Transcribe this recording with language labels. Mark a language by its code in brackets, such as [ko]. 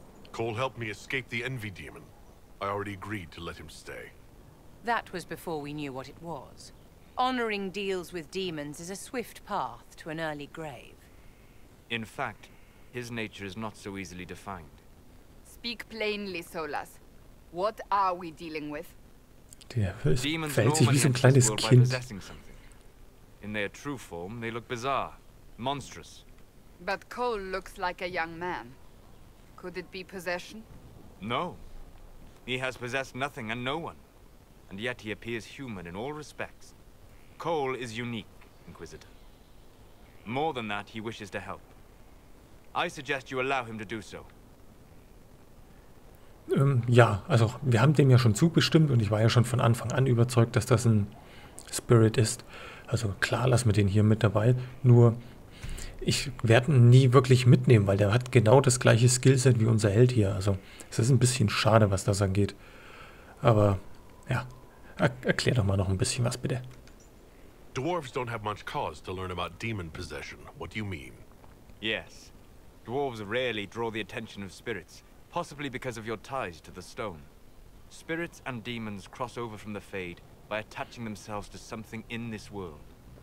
[en] Cole helped me escape the Envy Demon. I already agreed to let him stay. That was before we knew what it was. Honoring deals with demons is a swift path to an early grave. In fact, his nature is not so easily defined. Speak plainly, Solas. What are we dealing with? [de] Der demons fällt sich wie so ein kleines Kind. [en] In their true form, they look bizarre, monstrous. But Cole looks like a young man. Could it be possession? No. He has possessed nothing and no one. And yet he appears human in all respects. Cole is unique, Inquisitor. More than that, he wishes to help. I suggest you allow him to do so. [de] Ja, also wir haben dem ja schon zugestimmt und ich war ja schon von Anfang an überzeugt, dass das ein Spirit ist. Also klar, lassen wir den hier mit dabei. Nur, ich werde ihn nie wirklich mitnehmen, weil der hat genau das gleiche Skillset wie unser Held hier. Also es ist ein bisschen schade, was das angeht. Aber ja, erklär doch mal noch ein bisschen was, bitte. [en] Dwarves don't have much cause to learn about demon possession. What do you mean? Yes. Dwarves rarely draw the attention of spirits, possibly because of your ties to the stone. Spirits and demons cross over from the Fade by attaching themselves to something in this world.